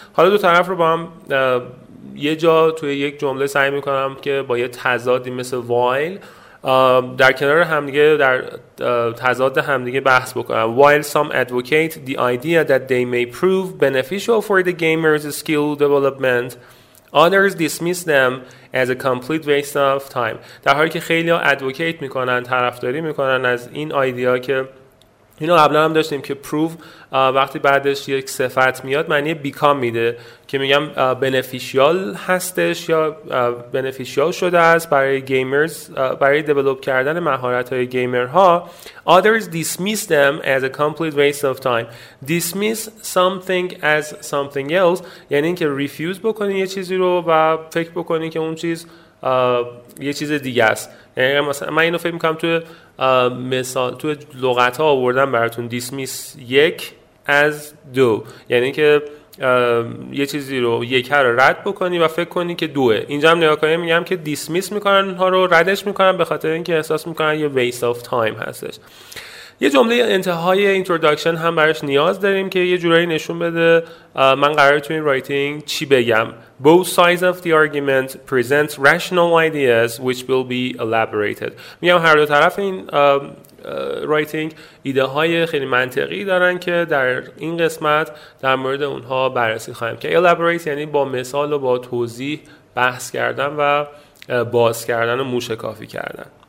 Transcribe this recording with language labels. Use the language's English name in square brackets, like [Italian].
[Persian] حالا دو طرف رو با هم یه جا توی یک جمله سعی میکنم که با یه تضادی مثل while در کنار همدیگه در تضاد همدیگه بحث بکنم. [English] While some advocate the idea that they may prove beneficial for the gamer's skill development, others dismiss them as a complete waste of time. [Persian] در حالی که خیلی ها advocate میکنن، طرفداری میکنن از این ایده ها که اینو قبلا هم داشتیم که prove وقتی بعدش یک صفت میاد معنی become میده، که میگم beneficial هستش یا beneficial شده است برای gamers، برای develop کردن مهارت های gamer ها. [English] Others dismiss them as a complete waste of time. Dismiss something as something else [Persian] یعنی اینکه refuse بکنی یه چیزی رو و فکر بکنی که اون چیز یه چیز دیگه است. یعنی مثلا من اینو فکر میکنم توی مثال توی لغت ها آوردم براتون، dismiss یک از دو، یعنی که یه چیزی رو یک رو رد بکنی و فکر کنی که دوه. اینجا هم نگاه کنیم میگم که دیسمیس میکنن اونها رو، ردش میکنن به خاطر اینکه احساس میکنن یه [English] waste of time [Persian] هستش. یه جمله انتهای introduction هم براش نیاز داریم که یه جورایی نشون بده من قراره تو این writing چی بگم. [English] Both sides of the argument present rational ideas which will be elaborated. [Persian] میگم هر دو طرف این رایتینگ ایده های خیلی منطقی دارن که در این قسمت در مورد اونها بررسی خواهیم که elaborate یعنی با مثال و با توضیح بحث کردن و باز کردن و موشکافی کردن.